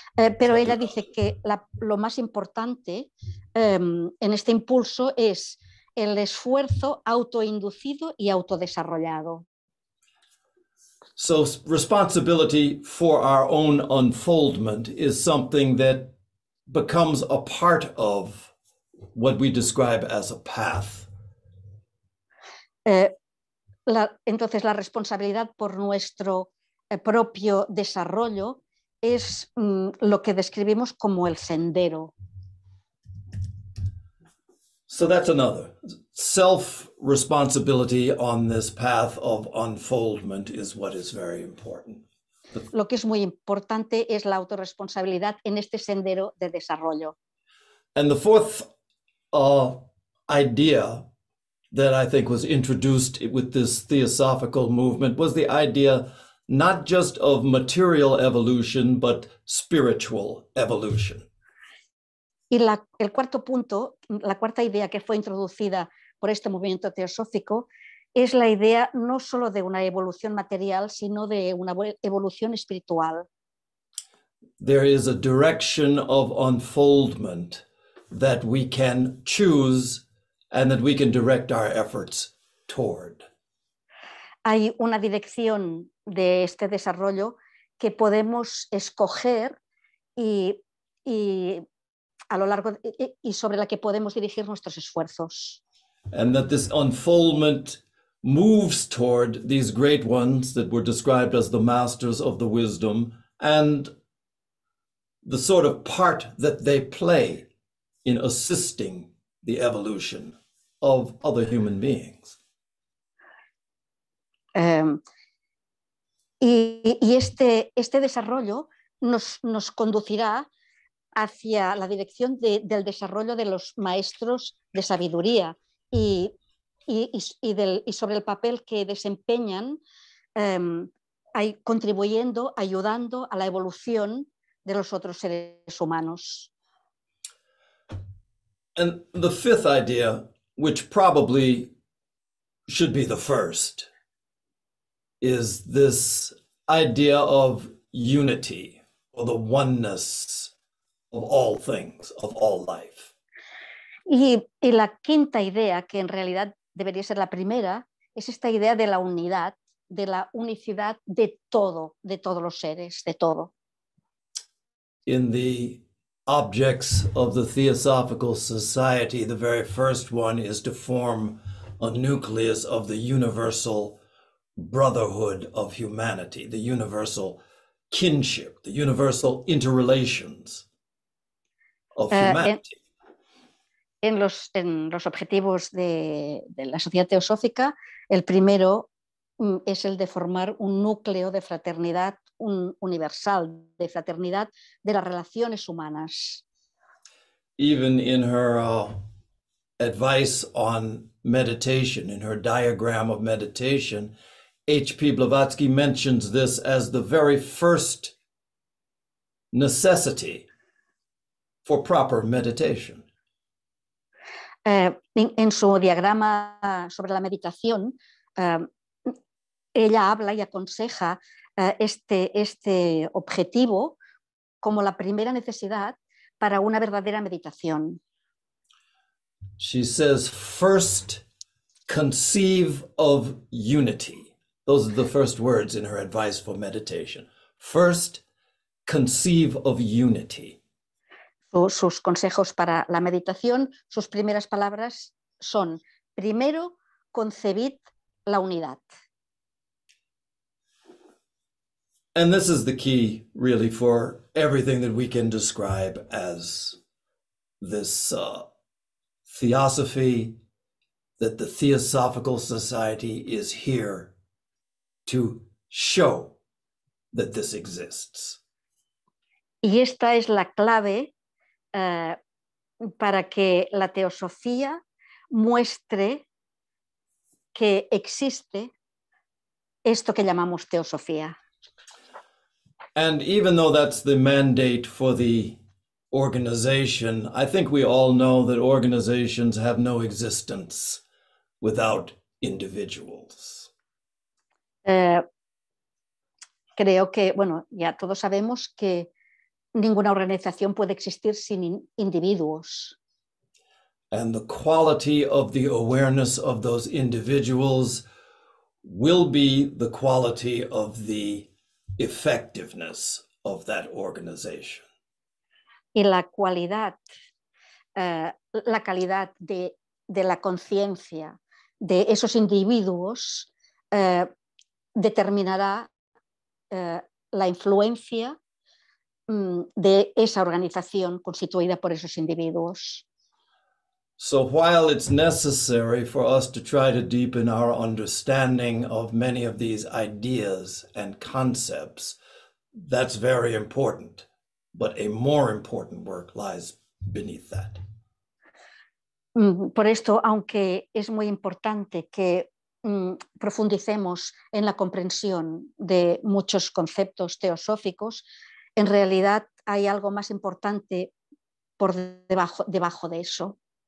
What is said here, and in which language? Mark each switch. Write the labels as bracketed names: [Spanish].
[Spanish] Pero ella dice que lo más importante en este impulso es el esfuerzo autoinducido y autodesarrollado. [English] So responsibility for our own unfoldment is something that becomes a part of what we describe as a path. [Spanish] Entonces la responsabilidad por nuestro propio desarrollo es lo que describimos como el sendero. [English] So that's another. Self-responsibility on this path of unfoldment is what is very important. [Spanish] Lo que es muy importante es la autorresponsabilidad en este sendero de desarrollo. [English] And the fourth idea that I think was introduced with this theosophical movement was the idea not just of material evolution, but spiritual evolution. [Spanish] Y el cuarto punto, la cuarta idea que fue introducida por este movimiento teosófico es la idea no solo de una evolución material, sino de una evolución espiritual. [English] There is a direction of unfoldment that we can choose and that we can direct our efforts toward. [Spanish] Hay una dirección de este desarrollo que podemos escoger y a lo largo y sobre la que podemos dirigir nuestros esfuerzos. [English] And that this unfoldment moves toward these great ones that were described as the masters of the wisdom and the sort of part that they play in assisting the evolution of other human beings. [Spanish] Y este desarrollo nos conducirá hacia la dirección del desarrollo de los maestros de sabiduría y sobre el papel que desempeñan contribuyendo, ayudando a la evolución de los otros seres humanos. [English] And the fifth idea, which probably should be the first, is this idea of unity, or the oneness of all things, of all life. [Spanish] Y la quinta idea, que en realidad debería ser la primera, es esta idea de la unidad, de la unicidad de todos los seres, de todo. [English] In the objects of the Theosophical Society, the very first one is to form a nucleus of the universal brotherhood of humanity, the universal kinship, the universal interrelations of humanity. [Spanish] En los objetivos de la sociedad teosófica, el primero es el de formar un núcleo de fraternidad, un universal de fraternidad de las relaciones humanas. [English] Even in her advice on meditation, in her diagram of meditation, H.P. Blavatsky mentions this as the very first necessity for proper meditation. [Spanish] En su diagrama sobre la meditación, ella habla y aconseja este objetivo como la primera necesidad para una verdadera meditación. [English] She says, first conceive of unity. Those are the first words in her advice for meditation. First, conceive of unity. [Spanish] Sus consejos para la meditación, sus primeras palabras son, primero, concebid la unidad. [English] And this is the key, really, for everything that we can describe as this theosophy, that the Theosophical Society is here to show that this exists. [Spanish] Y esta es la clave para que la teosofía muestre que existe esto que llamamos teosofía. [English] And even though that's the mandate for the organization, I think we all know that organizations have no existence without individuals. [Spanish] Creo que, bueno, ya todos sabemos que ninguna organización puede existir sin individuos. [English] And the quality of the awareness of those individuals will be the quality of the effectiveness of that organization. [Spanish] Y la cualidad, la calidad de la conciencia de esos individuos determinará la influencia de esa organización constituida por esos individuos. [English] So while it's necessary for us to try to deepen our understanding of many of these ideas and concepts, that's very important, but a more important work lies beneath that. [Spanish] Por esto, aunque es muy importante que profundicemos en la comprensión de muchos conceptos teosóficos, en realidad hay algo más importante por debajo de eso.